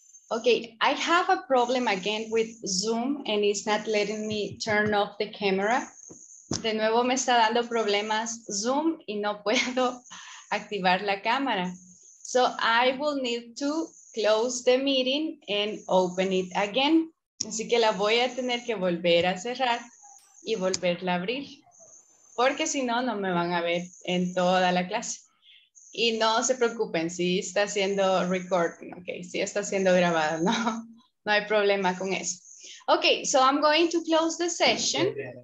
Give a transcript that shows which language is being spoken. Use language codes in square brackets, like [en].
[en] Okay, I have a problem again with Zoom and it's not letting me turn off the camera. [es] De nuevo me está dando problemas Zoom y no puedo activar la cámara. [en] So I will need to close the meeting and open it again. [es] Así que la voy a tener que volver a cerrar y volverla a abrir. Porque si no, no me van a ver en toda la clase. Y no se preocupen, si está haciendo recording, okay, si está siendo grabado, no hay problema con eso. [en] Okay, so I'm going to close the session.